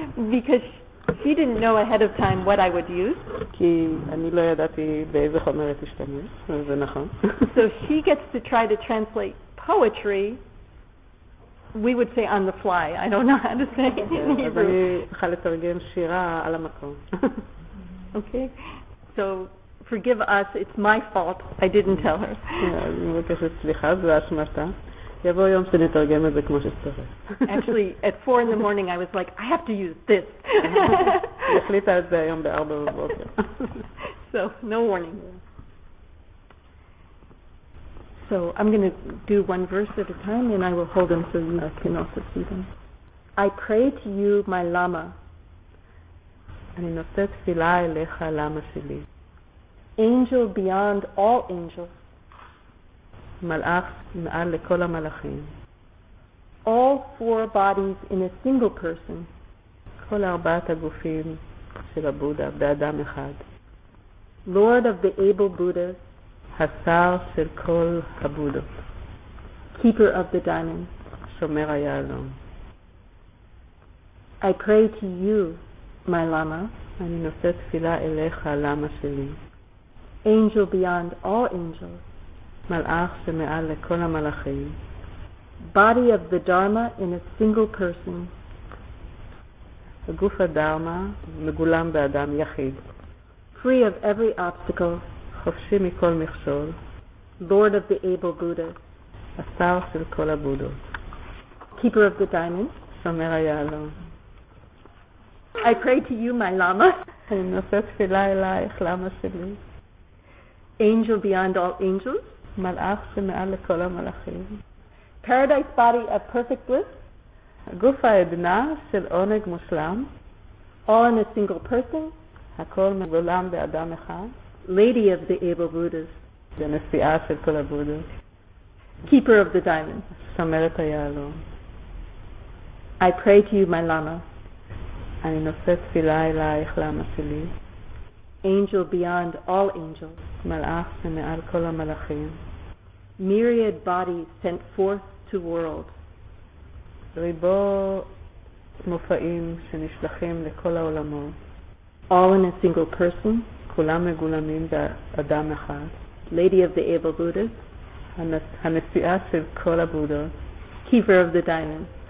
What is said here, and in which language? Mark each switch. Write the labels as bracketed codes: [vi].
[en] Because she didn't know ahead of time what I would use. [he] כי אני לא ידעתי באיזה חומר אשתמש, זה נכון. [en] So she gets to try to translate poetry. We would say on the fly. I don't know how to say it in Hebrew. [he] אני צריכה לתרגם שירה על המקום. [en] Okay. So, forgive us. It's my fault. I didn't tell her. [he] אני מבקשת סליחה, זו אשמתה. יבוא יום שנתרגם את זה כמו שצריך. [en] Actually, at 4 in the morning, I was like, I have to use this. [he] החליטה את זה היום ב-4 בבוקר. [en] So, no warning. So I'm going to do one verse at a time and I will hold them so you can also see them. I pray to you, my Lama. [he] אני נושא תפילה אליך, למה שלי. [en] Angel beyond all angels. [he] מלאך מעל לכל המלאכים. [en] All four bodies in a single person. [he] כל ארבעת הגופים של הבודה באדם אחד. [en] Lord of the able Buddha. [he] השר של כל הבודות. [en] Keeper of the diamond. [he] שומר היהלום. [en] I pray to you, my Lama. [he] אני נושא תפילה אליך, למה שלי. [en] Angel beyond all angels. [he] מלאך שמעל לכל המלאכים. [en] Body of the Dharma in a single person. [he] הגוף הדרמה מגולם באדם יחיד. [en] Free of every obstacle. [he] חופשי מכל מכשול. [en] Lord of the able Buddha. [he] השר של כל הבודות. [en] Keeper of the diamond. [he] שומר היהלום. [en] I pray to you, my Lama. [he] אני נושא תפילה אלייך, למה שלי. [en] Angel beyond all angels. [he] מלאך שמעל לכל המלאכים. [en] Paradise body of perfect bliss. [he] הגוף העדנה של עונג מושלם. [en] All in a single person. [he] הכל מגולם באדם אחד. [en] Lady of the able Buddhas. [he] הנשיאה של כל הבודות. [en] Keeper of the diamond. [he] שומרת היהלום. [en] I pray to you, my Lama. [he] אני נושא תפילה אלייך, למה שלי. [en] Angel beyond all angels. [he] מלאך שמעל כל המלאכים. [en] Myriad bodies sent forth to world. [he] ריבו מופעים שנשלחים לכל העולמות. [en] All in a single person. [he] כולם מגולמים באדם אחד. [en] Lady of the able Buddhas. [he] הנשיאה של כל הבודות. [en] Keeper of the diamond.